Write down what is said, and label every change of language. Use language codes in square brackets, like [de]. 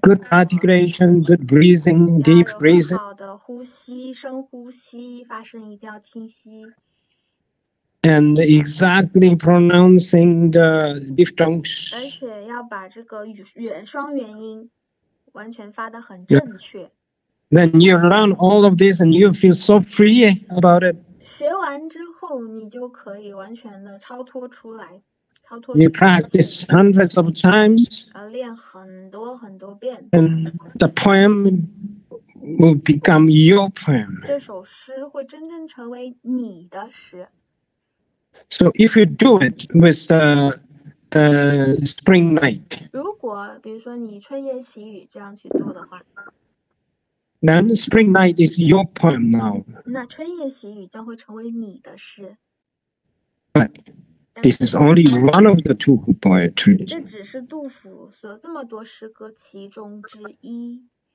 [en] Good articulation, good breathing, deep breathing. [zh] 要有很好的呼吸，深呼吸，发声一定要清晰。 [en] And exactly pronouncing the diphthongs. [zh] 而且要把这个元双元音。完全发得很正确。 [en] Then you learn all of this and you feel so free about it. [zh] 学完之后你就可以完全的超脱出来。超脱。 [en] You practice hundreds of times. [zh] 练很多很多遍。 [en] And the poem will become your poem. [zh] 这首诗会真正成为你的诗。 [en] So if you do it with the spring night. [zh] 如果比如说你春夜喜雨这样去做的话， [en] then spring night is your poem now. [zh] 那春夜喜雨将会成为你的诗。 [en] But this is only one of the two poetry. [zh] 这只是杜甫所这么多诗歌其中之一。